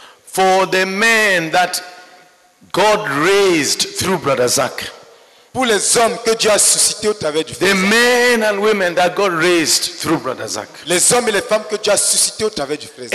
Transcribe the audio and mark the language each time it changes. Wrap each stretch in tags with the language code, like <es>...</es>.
<en>For the man that God raised through Brother Zach.</en> <fr>Pour les hommes que Dieu a suscité au travers du frère</fr> <en>Zach. The men and women that God raised through Brother Zach.</en> <fr>Les hommes et les femmes que Dieu a suscité au travers du frère Zach.</fr>